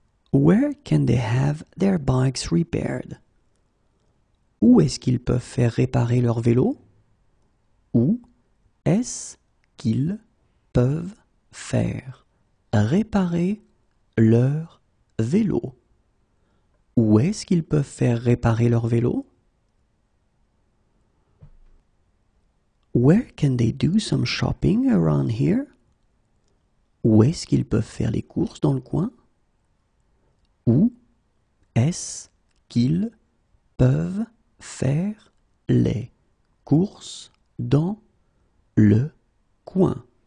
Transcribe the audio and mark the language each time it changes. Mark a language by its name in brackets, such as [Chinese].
[English] Where can they have their bikes repaired? [French] Où est-ce qu'ils peuvent faire réparer leur vélo? Où est-ce qu'ils peuvent faire réparer leur vélo? Où est-ce qu'ils peuvent faire réparer leur vélo? [English] Where can they do some shopping around here? [French] Où est-ce qu'ils peuvent faire les courses dans le coin? Où est-ce qu'ils peuvent faire les courses dans le coin?